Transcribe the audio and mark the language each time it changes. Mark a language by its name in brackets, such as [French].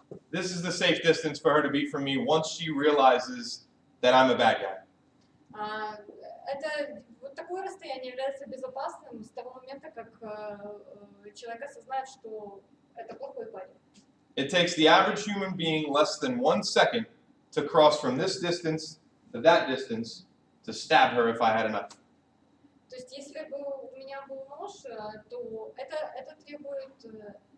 [English] This is the safe distance for her to be from me once she realizes that I'm a bad guy. [Russian] Это вот такое расстояние является безопасным с того момента, как человек осознает, что это плохой парень. [English] It takes the average human being less than 1 second to cross from this distance to that distance to stab her if I had enough. [Russian] То есть если бы у меня был нож, то это требует.